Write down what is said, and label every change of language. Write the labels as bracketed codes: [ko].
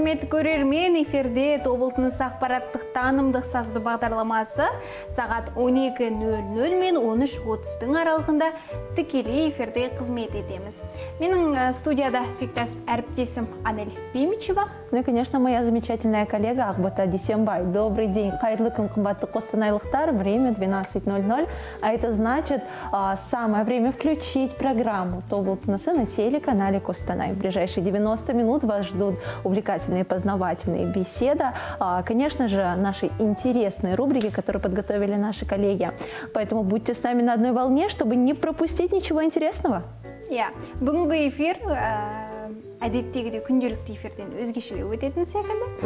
[kk] көрермен эфирде облысының ақпараттық танымдық сазды бағдарламасы сағат 12:00 мен 13:30 аралығында тікелей эфирде қызмет етеміз. Менің студияда сүйіктасып әріптесім Анель Бимичева. [ru] Ну и, конечно, моя замечательная коллега Ақбота Дүйсенбай. Добрый день, [kk] қайырлы күн, қымбатты қостанайлықтар. [ru] Время 12:00. А это значит, самое время включить программу «Тобол-Тунасы» на телеканале Костанай. В ближайшие 90 минут вас ждут увлекательные и познавательные беседы. Конечно же, наши интересные рубрики, которые подготовили наши коллеги. Поэтому будьте с нами на одной волне, чтобы не пропустить ничего интересного. [kk] Бүгінгі эфир... әдеттегі күнделікті эфирден өзгешеге өтетін секілді.